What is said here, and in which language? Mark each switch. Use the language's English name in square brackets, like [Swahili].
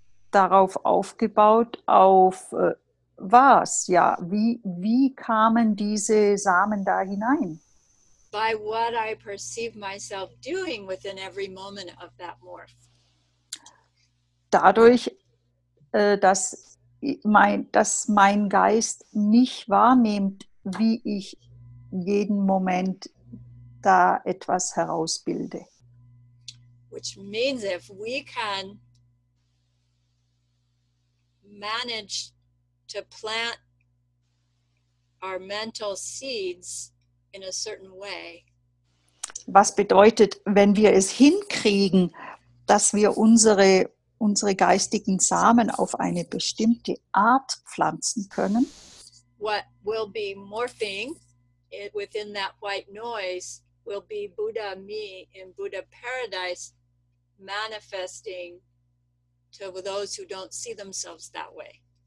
[German] Darauf aufgebaut, auf was? Ja, wie kamen diese Samen da hinein? [English] By what I perceive myself doing within every moment of that morph. [German] Dadurch, dass mein Geist mich wahrnimmt, wie ich jeden Moment da etwas herausbilde. [English] Which means if we can manage to plant our mental seeds in a certain way. [German] Was bedeutet, wenn wir es hinkriegen, dass wir unsere geistigen Samen auf eine bestimmte Art pflanzen können? [English] What will be morphing within that white noise will be Buddha me in Buddha paradise manifesting to those who don't see themselves that way.